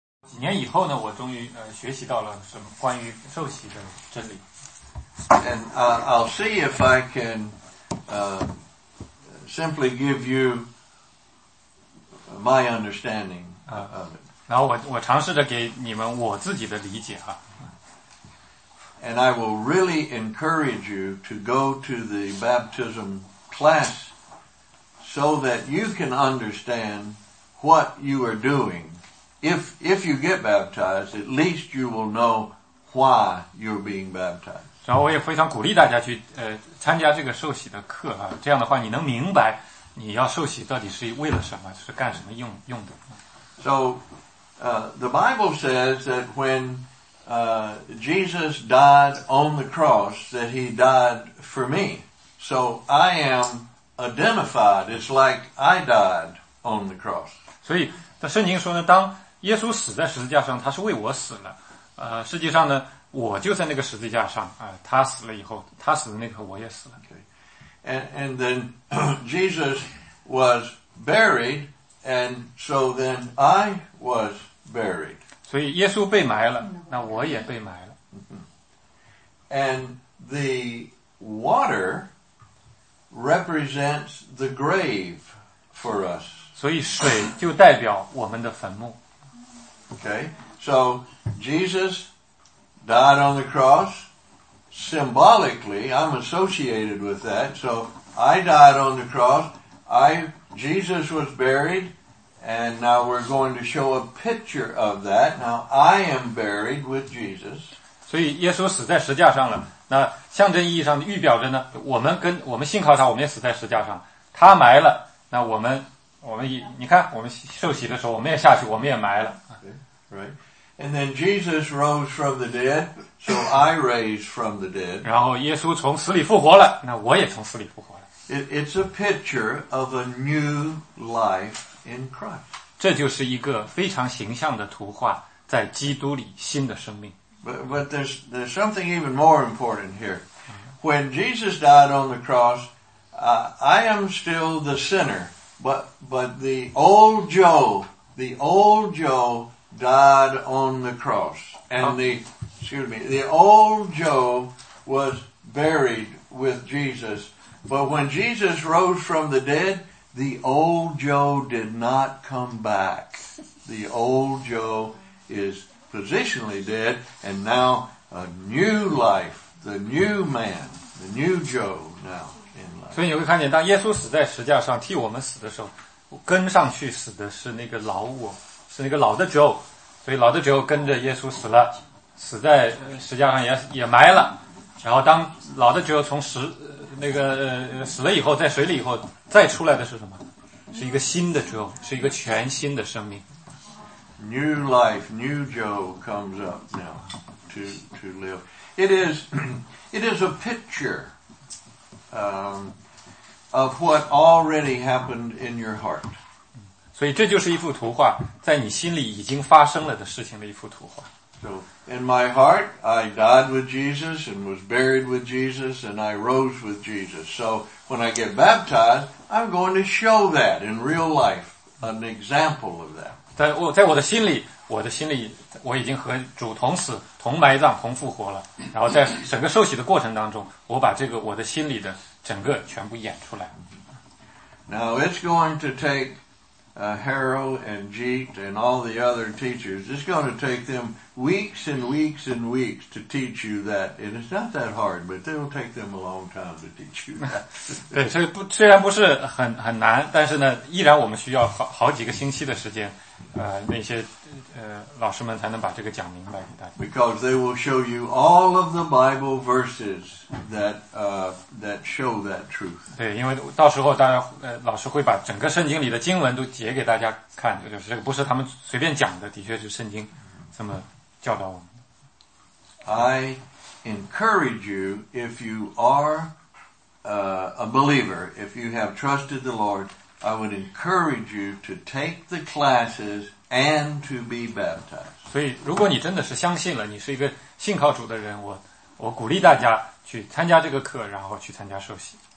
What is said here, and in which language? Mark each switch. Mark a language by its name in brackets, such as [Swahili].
[Chinese] 几年以后呢，我终于学习到了什么关于受洗的真理。 [English] And I'll see if I can simply give you my understanding of it. [Chinese] 然后我尝试着给你们我自己的理解啊。 [English] And I will really encourage you to go to the baptism class so that you can understand what you are doing. If you get baptized, at least you will know why you're being baptized. [Chinese] 然后我也非常鼓励大家去参加这个受洗的课啊，这样的话你能明白你要受洗到底是为了什么，是干什么用的。 [English] So, the Bible says that whenJesus died on the cross, that he died for me. So I am identified. It's like I died on the cross. [Chinese] 所以在圣经说呢，当耶稣死在十字架上，他是为我死了。实际上呢，我就在那个十字架上。他死了以后，他死的那刻我也死了。 [English] Okay. And then Jesus was buried, and so then I was buried. [Chinese] 所以耶稣被埋了，那我也被埋了。 [English] And the water represents the grave for us. [Chinese] 所以水就代表我们的坟墓。 [English] Okay, so Jesus died on the cross. Symbolically, I'm associated with that. So I died on the cross. Jesus was buried. And now we're going to show a picture of that. Now I am buried with Jesus. [Chinese] 所以耶稣死在十架上了。那象征意义上预表着呢，我们信靠他，我们也死在十架上。他埋了，那我们你看，我们受洗的时候，我们也下去，我们也埋了。 [English] Okay, right. And then Jesus rose from the dead, so I raised from the dead. [Chinese] 然后耶稣从死里复活了，那我也从死里复活了。 [English] It's a picture of a new life. In Christ. [Chinese] 这就是一个非常形象的图画，在基督里新的生命。 [English] But there's something even more important here. When Jesus died on the cross, I am still the sinner. But the old Joe died on the cross. And the old Joe was buried with Jesus. But when Jesus rose from the dead,The old Joe did not come back. The old Joe is positionally dead, and now a new life, the new man, the new Joe now in life. [Chinese] 所以你会看见，当耶稣死在十架上替我们死的时候，跟上去死的是那个老我，是那个老的 Joe。所以老的 Joe 跟着耶稣死了，死在十架上也埋了。然后当老的 Joe 从死了以后，在水里以后。再出来的是什么？是一个新的 Joe， 是一个全新的生命。 [English] New life, new Joe comes up now to live. It is a picture of what already happened in your heart. [Chinese] 所以这就是一幅图画，在你心里已经发生了的事情的一幅图画。 [English] So in my heart, I died with Jesus and was buried with Jesus and I rose with Jesus. So when I get baptized, I'm going to show that in real life, an example of that. [Chinese] 在我的心里，我已经和主同死、同埋葬、同复活了。然后在整个受洗的过程当中，我把这个我的心里的整个全部演出来。 [English] Now it's going to take Harold and Jeet and all the other teachers. It's going to take them weeks and weeks and weeks to teach you that. And it's not that hard, but it'll take them a long time to teach you that. [Chinese] 对，虽然不是很难，但是呢，依然我们需要好几个星期的时间，那些老师们才能把这个讲明白给大家。 [English] Because they will show you all of the Bible verses that show that truth. [Chinese] 对，因为到时候大家老师会把整个圣经里的经文都解给大家看，就是这个不是他们随便讲的，的确是圣经这么教导我们。 [English] I encourage you if you are a believer, if you have trusted the Lord, I would encourage you to take the classes. And to be baptized. [Chinese] 所以，如果你真的是相信了，你是一个信靠主的人，我鼓励大家去参加这个课，然后去参加受洗。